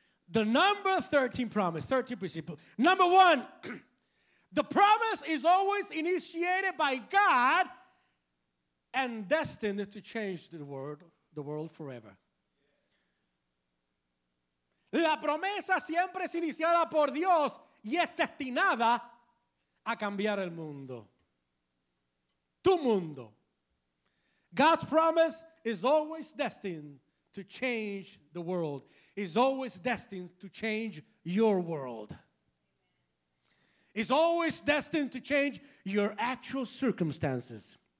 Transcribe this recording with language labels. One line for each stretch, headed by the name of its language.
English: The number 13 promise, 13 principles. Number one, the promise is always initiated by God and destined to change the world forever.
Spanish: La promesa siempre es iniciada por Dios y es destinada a cambiar el mundo. Tu mundo.
English: God's promise is always destined to change the world. Is always destined to change your world. Is always destined to change your actual circumstances.